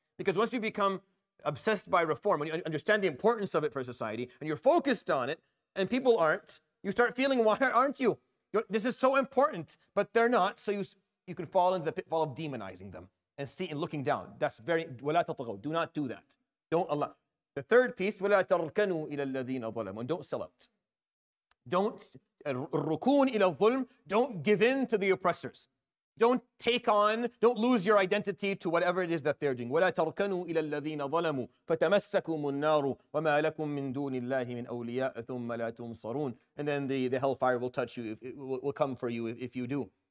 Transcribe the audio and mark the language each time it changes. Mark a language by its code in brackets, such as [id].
[en] Because once you become obsessed by reform, when you understand the importance of it for society, and you're focused on it, and people aren't, you start feeling, why aren't you? This is so important, but they're not. So you can fall into the pitfall of demonizing them. And see, and looking down. That's very, [ar] وَلَا تَطَغَوْا. [en] Do not do that. Don't allow. The third piece, [ar] وَلَا تَرْكَنُوا إِلَى الَّذِينَ ظَلَمُوا. [en] And don't sell out. Don't, [ar] الرُّكُونَ إِلَى الظُّلْمِ. [en] Don't give in to the oppressors. Don't take on, don't lose your identity to whatever it is that they're doing. [ar] وَلَا تَرْكَنُوا إِلَى الَّذِينَ ظَلَمُوا. فَتَمَسَّكُمُ النَّارُ وَمَا لَكُم مِّن دُونِ اللَّهِ مِنْ أَوْلِيَاءَ ثُمَّ لَا تُنصَرُونَ. [en] And then the hellfire will touch you, it will come for you if you do.